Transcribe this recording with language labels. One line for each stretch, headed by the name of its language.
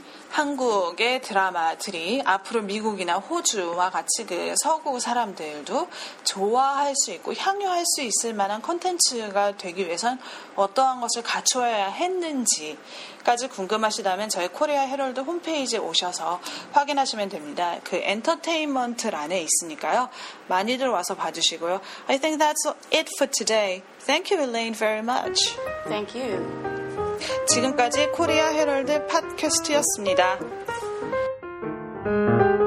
Korean: 한국의 드라마들이 앞으로 미국이나 호주와 같이 그 서구 사람들도 좋아할 수 있고 향유할 수 있을 만한 콘텐츠가 되기 위해선 어떠한 것을 갖춰야 했는지까지 궁금하시다면 저희 코리아 헤럴드 홈페이지에 오셔서 확인하시면 됩니다. 그 엔터테인먼트란에 있으니까요. 많이들 와서 봐주시고요.
English: I think that's it for today. Thank you, Elaine, very much. Thank you.
Korean: 지금까지 코리아 헤럴드 팟캐스트였습니다.